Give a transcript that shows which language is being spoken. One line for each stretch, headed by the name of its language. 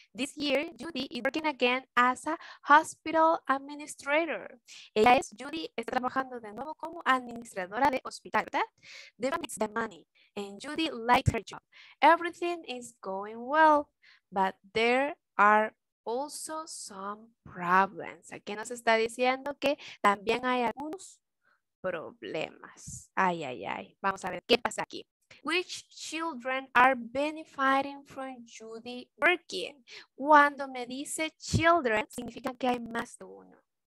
English: This year, Judy is working again as a hospital administrator.
Spanish: Ella es Judy, está trabajando de nuevo como administradora de hospital, ¿verdad?
English: Devon needs the money, and Judy likes her job. Everything is going well, but there are also some problems.
Spanish: Aquí nos está diciendo que también hay algunos problemas. Ay, ay, ay. Vamos a ver qué pasa aquí.
English: Which children are benefiting from Judy working?
Spanish: Cuando me dice children, significa que hay más de uno.